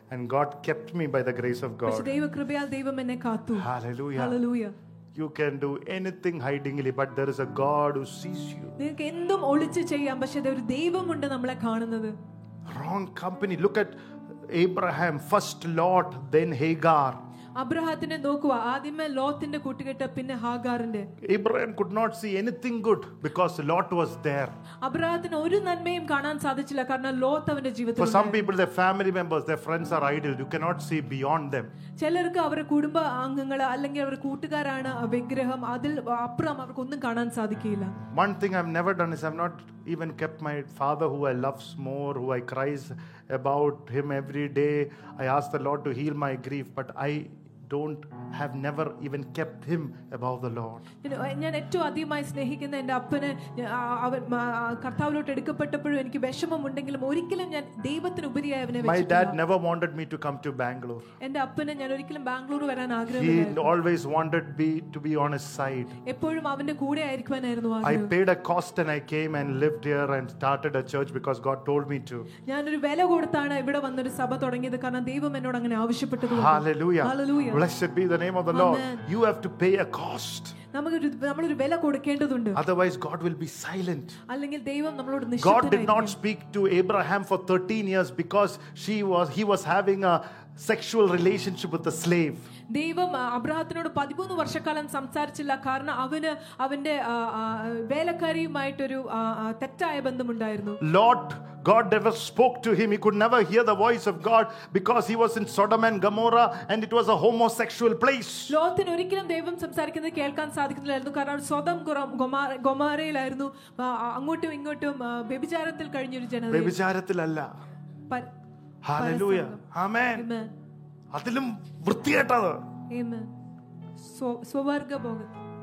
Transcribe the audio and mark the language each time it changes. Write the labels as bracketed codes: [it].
[en] And God kept me by the grace of God. [ml] ദൈവകൃപയാൽ ദൈവം എന്നെ കാത്തു. [en] Hallelujah. Hallelujah. You can do anything hidingly, but there is a God who sees you. [ml] നിങ്ങൾക്ക് എന്തും ഒളിച്ചു ചെയ്യാം, പക്ഷേ ദൈവം ഒരു ദൈവമുണ്ട് നമ്മളെ കാണുന്നത്. [en] Wrong company. Look at Abraham, first Lot, then Hagar. [ml] അബ്രഹാത്തിനെ നോക്കുക, ആദ്യമേ ലോത്തിന്റെ കൂട്ടുകെട്ട്, പിന്നെ ഹാഗാറിന്റെ. [en] Abraham could not see anything good because Lot was there. [ml] അബ്രഹാത്തിന് ഒരു നന്മയും കാണാൻ സാധിച്ചില്ല, കാരണം ലോത്ത് അവന്റെ ജീവിതത്തിൽ. [en] For some people, their family members, their friends are idol. You cannot see beyond them. [ml] ചിലർക്ക് അവരുടെ കുടുംബ അംഗങ്ങൾ അല്ലെങ്കിൽ അവരുടെ കൂട്ടുകാരാണ് വിഗ്രഹം, അതിൽ അപ്പുറം അവർക്ക് ഒന്നും കാണാൻ സാധിക്കില്ല. [en] One thing I've never done is I've not even kept my father who I loves more, who I cries about him every day. I ask the Lord to heal my grief, but I don't have never even kept him above the Lord. [ml] ഞാൻ ഏറ്റവും അധികമായി സ്നേഹിക്കുന്ന എന്റെ അപ്പനെ അവൻ കർത്താവിലോട്ട് എടുക്കപ്പെട്ടപ്പോഴും എനിക്ക് വിഷമമുണ്ടെങ്കിലും ഒരിക്കലും ഞാൻ ദൈവത്തിന് ഉപരിയായി അവനെ വെച്ചില്ല. [en] My dad never wanted me to come to Bangalore. [ml] എന്റെ അപ്പനെ ഞാൻ ഒരിക്കലും ബാംഗ്ലൂർ വരാൻ ആഗ്രഹിച്ചില്ല. [en] He always wanted me to be on his side. [ml] എപ്പോഴും അവന്റെ കൂടെ ആയിരിക്കാനായിരുന്നു ആഗ്രഹം. [en] I paid a cost and I came and lived here and started a church because God told me to. [ml] ഞാൻ ഒരു വില കൊടുത്താണ് ഇവിടെ വന്ന് ഒരു സഭ തുടങ്ങിയത്, കാരണം ദൈവം എന്നോട് അങ്ങനെ ആവശ്യപ്പെട്ടതുകൊണ്ട്. [en] Hallelujah. Hallelujah. Blessed be the name of the Amen. Lord. You have to pay a cost. [ml] നമ്മൾ ഒരു വില കൊടുക്കേണ്ടതുണ്ട്. [en] Otherwise God will be silent. [ml] അല്ലെങ്കിൽ ദൈവം നമ്മളോട് നിശബ്ദനായിരിക്കും. [en] God did not speak to Abraham for 13 years because he was having a sexual relationship with a slave. [ml] ദൈവം അബ്രഹാത്തിനോട് 13 വർഷക്കാലം സംസാരിച്ചില്ല, കാരണം അവന് അവന്റെ വേലക്കാരിയുമായിട്ടൊരു തെറ്റായ ബന്ധമുണ്ടായിരുന്നു. [en] Lot, God never spoke to him. He could never hear the voice of God because he was in Sodom and Gomorrah and it was a homosexual place. [ml] ലോത്തിന് ഒരിക്കലും ദൈവം സംസാരിക്കുന്നത് കേൾക്കാൻ സാധിക്കുന്നില്ലായിരുന്നു, കാരണം അവൻ സൊദോം ഗൊമോറയിലായിരുന്നു. അങ്ങോട്ടും ഇങ്ങോട്ടും വ്യഭിചാരത്തിൽ കഴിഞ്ഞൊരു ജനത. വ്യഭിചാരത്തിലല്ല. [en] Hallelujah. Amen. [ml] അതിലും വൃത്തികെട്ടത്. Amen. സ്വർഗ്ഗ ഭോഗത്തിൽ.